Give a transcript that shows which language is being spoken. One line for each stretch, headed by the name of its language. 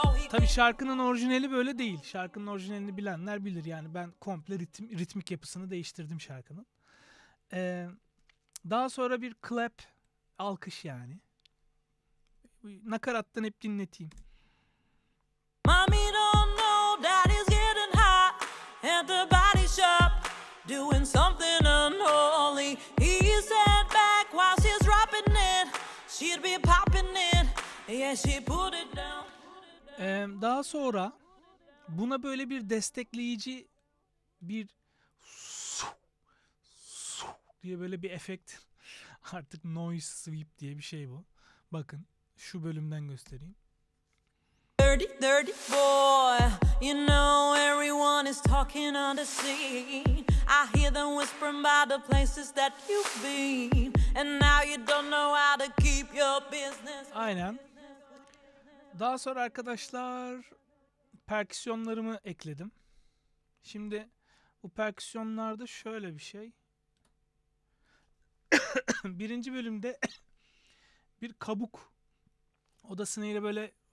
Turkish: Tabii şarkının orijinali böyle değil. Şarkının orijinalini bilenler bilir. Yani ben komple ritmik yapısını değiştirdim şarkının. Daha sonra bir clap, alkış yani. Nakarattan hep dinleteyim.
English: Mommy don't know daddy's getting hot at the body shop doing something unholy. He sat back while she's dropping it. She'd be popping it. Yeah, she put it down.
Turkish: Daha sonra buna böyle bir destekleyici bir su diye böyle bir efekt. Artık noise sweep diye bir şey bu. Bakın şu bölümden göstereyim.
English: Dirty, dirty boy, you know everyone is talking on the scene. I hear them whispering about the places that you've been, and now you don't know how to keep your business.
Turkish: Aynen. Daha sonra arkadaşlar perküsyonlarımı ekledim. Şimdi bu perküsyonlarda şöyle bir şey. Birinci bölümde bir kabuk. O da snare'i böyle.